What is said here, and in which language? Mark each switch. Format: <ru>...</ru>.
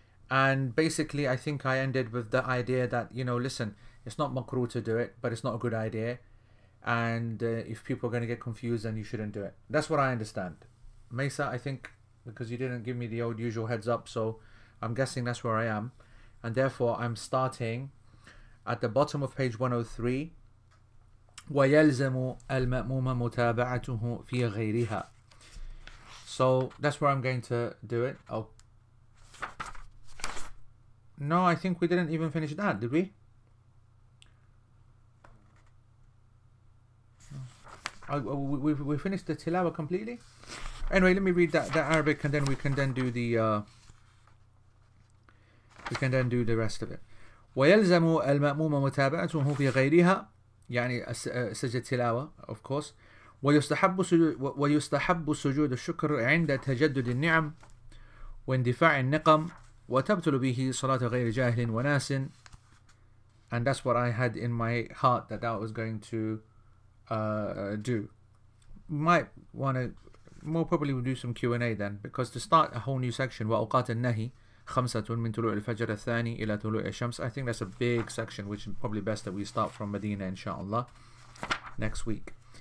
<en>And basically, I think I ended with the idea that, you know, listen, it's not makruh to do it, but it's not a good idea. And if people are going to get confused, then you shouldn't do it. That's what I understand. Mesa, I think, because you didn't give me the old usual heads up, so I'm guessing that's where I am. And therefore, I'm starting at the bottom of page 103.</en> <ar>ويلزم المأموم متابعته في غيرها.</ar> <en>So that's where I'm going to do it. Oh no, I think we didn't even finish that, did we? We finished the tilawa completely. Anyway, let me read that Arabic, and then we can then do the rest of it.</en> <ar>ويلزم المأموم متابعته في غيرها. يعني سجد تلاوة</ar> <en>of course.</en> <ar>ويستحب سجود الشكر عند تجدد النعم واندفاع النقم وتبتل به صلاة غير جاهل وناس.</ar> <en>And that's what I had in my heart that I was going to do. Might want to, more probably we'll do some Q&A then, because to start a whole new section,</en> <ar>وأوقات النهي خمسة من طلوع الفجر الثاني إلى طلوع الشمس,</ar> <en>I think that's a big section, which is probably best that we start from Medina, inshallah, next week.</en>